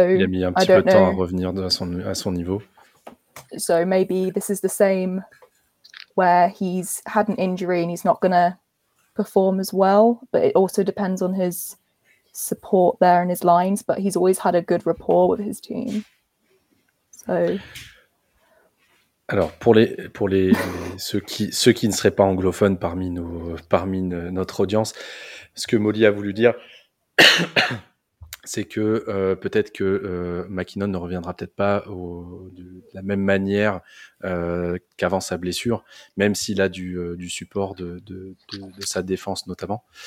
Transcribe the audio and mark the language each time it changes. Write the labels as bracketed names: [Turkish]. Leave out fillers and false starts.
[French] il a mis un petit peu de temps à revenir de à son niveau. [English] So maybe this is the same where he's had an injury and he's not going to perform as well, but it also depends on his support there and his lines, but he's always had a good rapport with his team. So [French] alors pour les ceux qui ne seraient pas anglophones parmi notre audience, ce que Molly a voulu dire c'est que peut-être que McKinnon ne reviendra peut-être pas de la même manière qu'avant sa blessure, même s'il a du support de sa défense notamment.